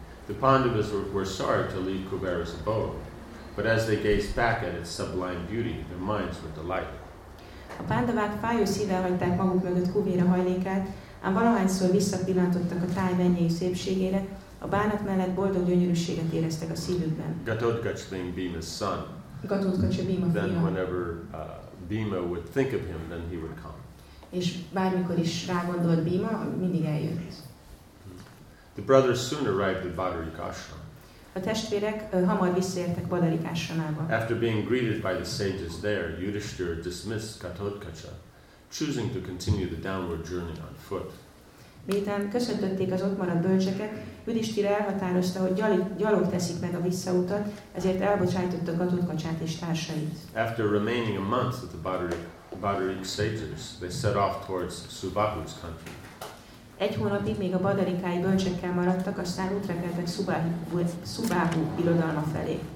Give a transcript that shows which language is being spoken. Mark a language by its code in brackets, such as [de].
[en] The Pandavas were sorry to leave Kuvera's abode, but as they gazed back at its sublime beauty, their minds were delighted. [hu] A Pandavák fájó szívvel hagyták maguk mögött Kuvera hajlékát, ám valahányszor visszapillantottak a táj mennyei szépségére, a bánat mellett boldog gyönyörűséget éreztek a szívükben. [en] Ghatotkacha being Bhima's son, [hu] Ghatotkacha Bhima fia. [en] Then whenever Bhima would think of him, then he would come. [hu] És bármikor is rágondolt Bhima, mindig eljött. [en] The brothers soon arrived at Badarik Ashram. [hu] A testvérek hamar visszaértek Badarik Ashramába. [en] After being greeted by the sages there, Yudhishthira dismissed Ghatotkacha, choosing to continue the downward journey on foot. [hu] Miután köszöntötték az ott maradt bölcseket, Yudhishthira elhatározta, hogy gyalog teszik meg a visszautat, ezért elbocsájtotta Ghatotkachát és társait. [en] After remaining a month with the Badarik sages, they set off towards Subahu's country. [hu] Egy hónapig még a Badarikái bölcsekkel maradtak, aztán útra keltek Subahu birodalma felé.